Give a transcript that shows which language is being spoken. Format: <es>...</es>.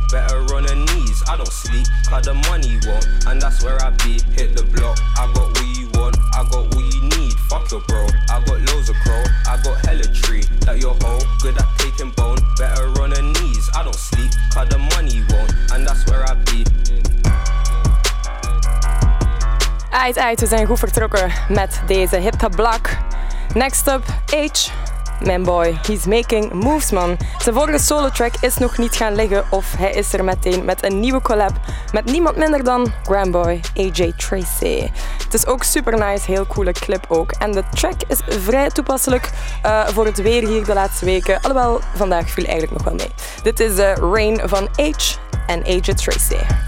<en>Better on her knees, I don't sleep. Cause the money won't, and that's where I be. Hit the block, I got what you want, I got what you need. Fuck your bro, I got loads of crow, I got hella tree. Like your hoe, good at taking bone. Better on her knees, I don't sleep. Cause the money won't, and that's where I be.</en> <nl>Uit, uit, we zijn goed vertrokken met deze Hit the Block.</nl> <en>Next up, H, mijn boy, he's making moves, man.</en> <nl>Zijn vorige solo track is nog niet gaan liggen of hij is er meteen met een nieuwe collab met niemand minder dan Grandboy AJ Tracy. Het is ook super nice, heel coole clip ook. En de track is vrij toepasselijk voor het weer hier de laatste weken. Alhoewel, vandaag viel eigenlijk nog wel mee. Dit is Rain van H en AJ Tracy.</nl>